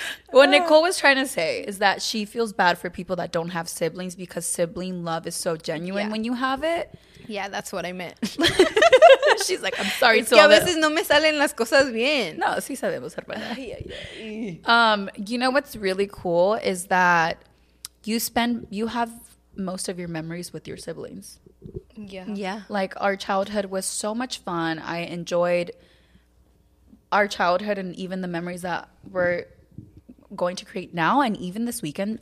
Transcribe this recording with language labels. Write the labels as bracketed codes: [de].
[en] What Nicole was trying to say is that she feels bad for people that don't have siblings, because sibling love is so genuine when you have it. Yeah, that's what I meant. She's like, I'm sorry. [es] Es que a veces no me salen las cosas bien. No, sí sabemos, hermana. [en] You know what's really cool is that you have most of your memories with your siblings. Yeah. Yeah. Like, our childhood was so much fun. I enjoyed our childhood and even the memories that we're going to create now and even this weekend.